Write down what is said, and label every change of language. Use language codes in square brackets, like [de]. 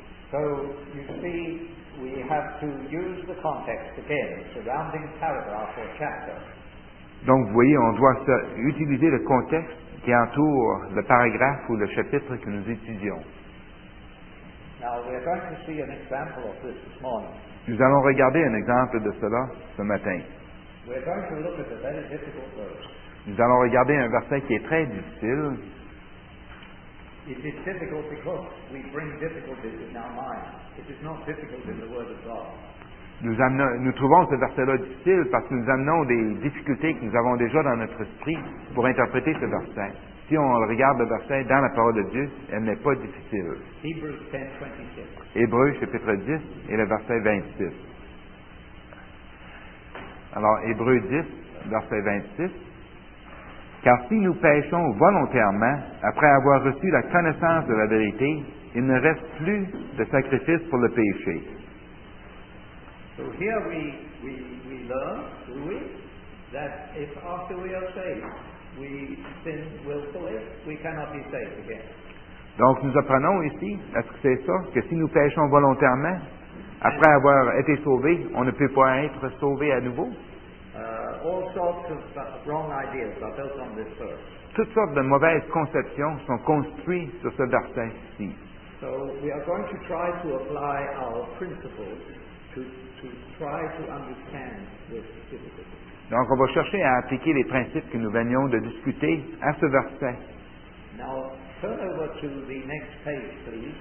[en] So you see, we have to use the context again, surrounding paragraph or chapter. [fr] Donc vous voyez, on doit utiliser le contexte qui entoure le paragraphe ou le chapitre que nous étudions. [en] Now, we are going to see an example of this this morning. [fr] Nous allons regarder un exemple de cela ce matin. [en] We are going to look at a very difficult verse. [fr] Nous allons regarder un verset qui est très difficile. [en] It is difficult because we bring difficulties in our mind. It is not difficult in the Word of God. [fr] Nous trouvons ce verset-là difficile parce que nous amenons des difficultés que nous avons déjà dans notre esprit pour interpréter ce verset. Si on regarde le verset dans la parole de Dieu, elle n'est pas difficile. Hébreux 10, 26. Hébreux, chapitre 10, et le verset 26. Alors, Hébreux 10, verset 26. Car si nous péchons volontairement, après avoir reçu la connaissance de la vérité, il ne reste plus de sacrifice pour le péché. [en] So here we learn, do we, that if after we are saved, we sin willfully, we cannot be saved again. [fr] Donc nous apprenons ici, est-ce que c'est ça, que si nous péchons volontairement, après and avoir été sauvés, on ne peut pas être sauvé à nouveau? [en] All sorts of wrong ideas are built on this verse. [fr] Toutes sortes de mauvaises conceptions sont construites sur ce verset-ci. [en] So we are going to try to apply our principles to understand this difficulty. [fr] Donc, on va chercher à appliquer les principes que nous venions de discuter à ce verset. [en] Now, turn over to the next page, please.